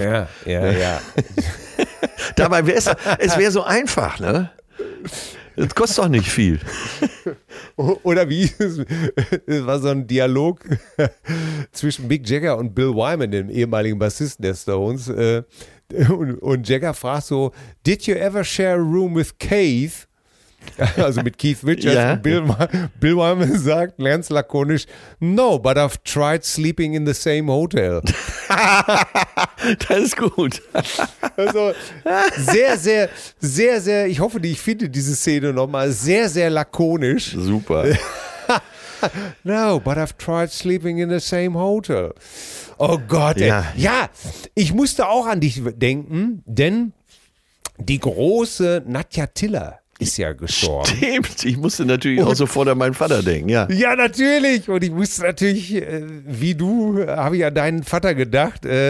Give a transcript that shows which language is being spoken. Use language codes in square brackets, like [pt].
[de] Ja, ja, ja. Dabei wäre es wär so einfach, ne? Das kostet doch nicht viel. Oder wie, es war so ein Dialog zwischen Mick Jagger und Bill Wyman, dem ehemaligen Bassisten der Stones. Und Jagger fragt so, [en] did you ever share a room with Keith? [de] Also mit Keith Richards, ja. Und Bill Wyman sagt ganz lakonisch, [en] no, but I've tried sleeping in the same hotel. [de] Das ist gut. Also sehr, sehr, sehr, sehr, ich hoffe, ich finde diese Szene nochmal sehr, sehr lakonisch. Super. [en] No, but I've tried sleeping in the same hotel. [de] Oh Gott, ey. Ja. Ja, ich musste auch an dich denken, denn die große Nadja Tiller ist ja gestorben. Stimmt, ich musste natürlich auch sofort an meinen Vater denken, ja. Ja, natürlich. Und ich musste natürlich, wie du, habe ich an deinen Vater gedacht.